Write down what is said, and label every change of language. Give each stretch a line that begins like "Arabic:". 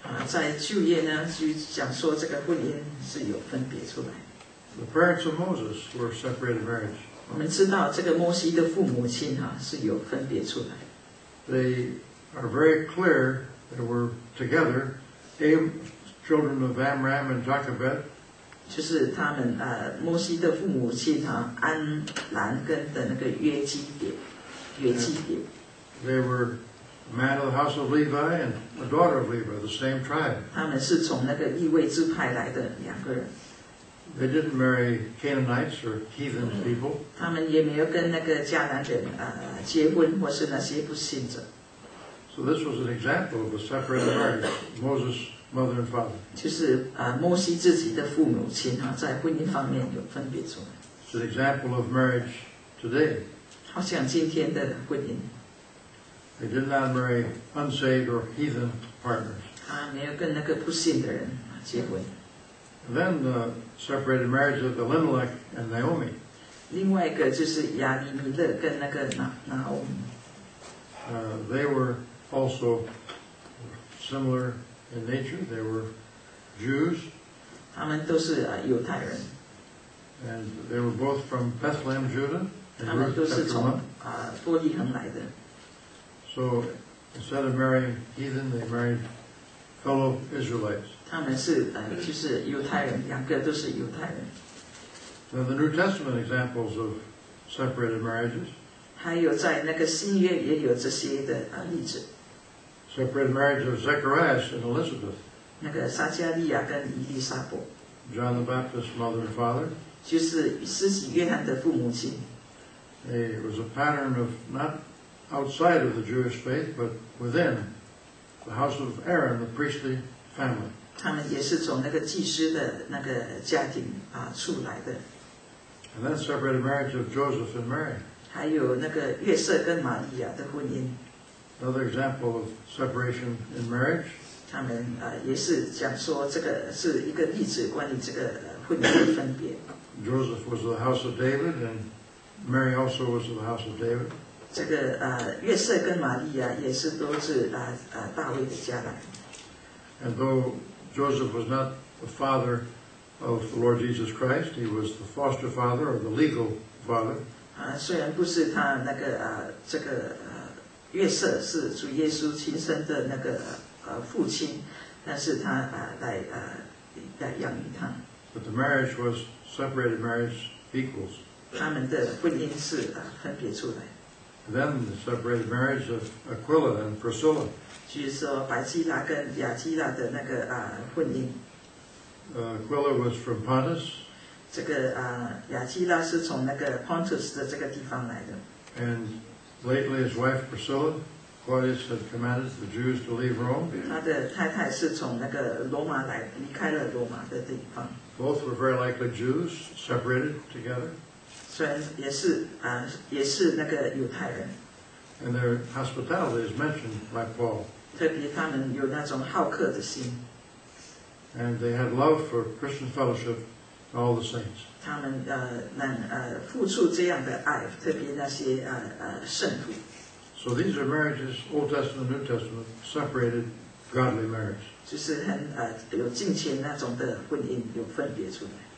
Chinese: 在旧约呢，就讲说这个婚姻是有分别出来。
English: The parents of Moses were separated marriage.
Chinese: 我们知道这个摩西的父母亲哈是有分别出来。
English: They are very clear that were together, children of Amram and Jochebed.
Chinese: 就是他们摩西的父母亲哈安兰跟的那个约基别。
English: They were man of the house of Levi and a daughter of Levi, the same tribe.
Chinese: 他们是从那个利未支派来的两个人。
English: They didn't marry Canaanites or heathen people.
Chinese: 他们也没有跟那个迦南人结婚，或是那些不信者。
English: So this was an example of a separated marriage, Moses' mother and father.
Chinese: 就是摩西自己的父母亲哈，在婚姻方面有分别出来。
English: It's an example of marriage today.
Chinese: 好像今天的婚姻。
English: They did not marry unsaved or heathen partners.
Chinese: 他没有跟那个不信的人结婚。
English: Then the separated marriage of Elimelech and Naomi.
Chinese: 另外一个就是亚尼米勒跟那个拿欧米。
English: They were also similar in nature. They were Jews.
Chinese: 他们都是犹太人。
English: And they were both from Bethlehem, Judah.
Chinese: 他们都是从伯利恒来的。
English: So instead of marrying heathen, they married fellow Israelites.
Chinese: 他们是就是犹太人，两个都是犹太人。
English: Now the New Testament examples of separated marriages.
Chinese: 还有在那个新约也有这些的例子。
English: Separated marriage of Zechariah and Elizabeth.
Chinese: 那个撒加利亚跟伊丽莎伯。
English: John the Baptist's mother and father.
Chinese: 就是施洗约翰的父母亲。
English: It was a pattern of not outside of the Jewish faith, but within the house of Aaron, the priestly family.
Chinese: 他们也是从那个祭司的那个家庭啊出来的。
English: And then separated marriage of Joseph and Mary.
Chinese: 还有那个约瑟跟玛利亚的婚姻。
English: Another example of separation in marriage.
Chinese: 他们也是讲说这个是一个例子，关于这个婚姻的分别。
English: Joseph was of the house of David, and Mary also was of the house of David.
Chinese: 这个约瑟跟玛利亚也是都是大卫的家来。
English: And though Joseph was not the father of the Lord Jesus Christ, he was the foster father or the legal father.
Chinese: 虽然不是他那个这个。约瑟是主耶稣亲生的那个父亲，但是他来养育他。
English: But the marriage was separated marriage equals.
Chinese: 他们的婚姻是分别出来。
English: Then the separated marriage of Aquila and Priscilla.
Chinese: 就是说白基拉跟亚基拉的那个婚姻。
English: Aquila was from Pontus.
Chinese: 这个亚基拉是从那个 Pontus 的这个地方来的。
English: And lately, his wife Priscilla, Claudius had commanded the Jews to leave Rome.
Chinese: 他的太太是从那个罗马来，离开了罗马的地方。
English: Both were very likely Jews, separated together.
Chinese: 虽然也是那个犹太人。
English: And their hospitality is mentioned by Paul.
Chinese: 特别他们有那种好客的心。
English: And they had love for Christian fellowship, all the saints.
Chinese: 他们付出这样的爱，特别那些圣徒。
English: So these are marriages, Old Testament, New Testament, separated, godly marriage.
Chinese: 就是很有金钱那种的婚姻，有分别出来。